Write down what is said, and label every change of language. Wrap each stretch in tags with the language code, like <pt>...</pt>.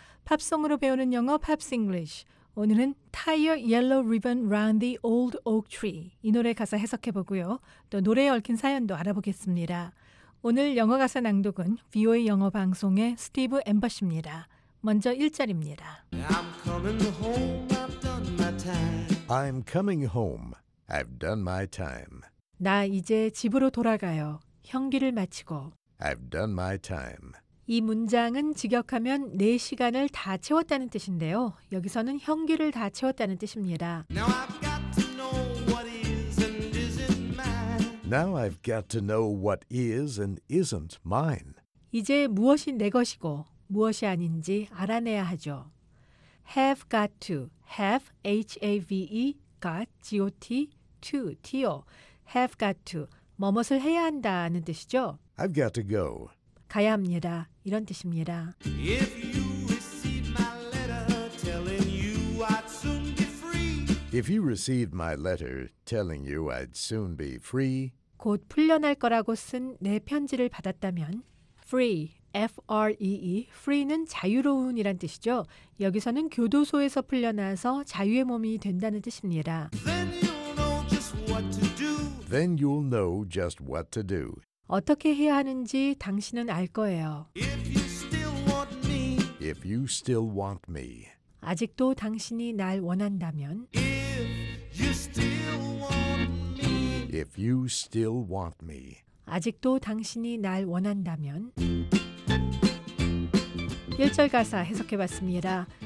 <ko>팝송으로 배우는 영어 팝스 잉글리쉬, 오늘은 Tie a Yellow Ribbon Round the Old Oak Tree, 이 노래 가사 해석해보고요. 또 노래에 얽힌 사연도 알아보겠습니다. 오늘 영어 가사 낭독은 VOA 영어 방송의 스티브 엠버시입니다. 먼저 1절입니다.</ko> <en>I'm coming home, I've done my time. I'm coming home, I've done my time.</en> <ko>나 이제 집으로 돌아가요. 형기를 마치고.</ko> <en>I've done my time.</en> <ko>이 문장은 직역하면 내 시간을 다 채웠다는 뜻인데요. 여기서는 형기를 다 채웠다는 뜻입니다.</ko> <en>Now I've got to know what is and isn't mine. Now I've got to know what is and isn't mine.</en> <ko>이제 무엇이 내 것이고 무엇이 아닌지 알아내야 하죠.</ko> <en>Have got to. Have, H-A-V-E, got, G-O-T, to, T-O. Have got to.</en> <ko>뭐뭇을 해야 한다는 뜻이죠.</ko> <en>I've got to go.</en> <ko>가야 합니다. 이런 뜻입니다.</ko> <en>If you received my letter telling you I'd soon be free. If you received my letter telling you I'd soon be free.</en> <ko>곧 풀려날 거라고 쓴 내 편지를 받았다면 free, F-R-E-E, free는 자유로운이란 뜻이죠. 여기서는 교도소에서 풀려나서 자유의 몸이 된다는 뜻입니다.</ko> <en>Then you'll know just what to do. Then you'll know just what to do.</en> <ko>어떻게 해야 하는지 당신은 알 거예요.</ko> <en>If you still want me, if you still want me.</en> <ko>아직도 당신이 날 원한다면</ko> <en>if you still want me, if you still want me.</en> <ko>아직도 당신이 날 원한다면 1절 가사 해석해봤습니다.</ko>